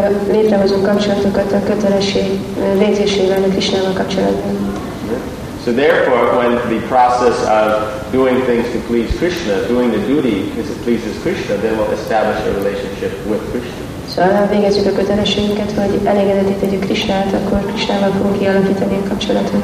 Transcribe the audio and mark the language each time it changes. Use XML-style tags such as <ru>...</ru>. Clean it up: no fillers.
<hu>Létrehozunk kapcsolatokat a kötelesség végzésével a Krishnával kapcsolatban.</hu> <en>So therefore, when the process of doing things to please Krishna, doing the duty because it pleases Krishna, then we'll establish a relationship with Krishna.</en> <hu>So ha végezzük a kötelességünket, vagy elégedetté tegyük Krishnát, akkor Krishnával fogunk kialakítani a kapcsolatot.</hu>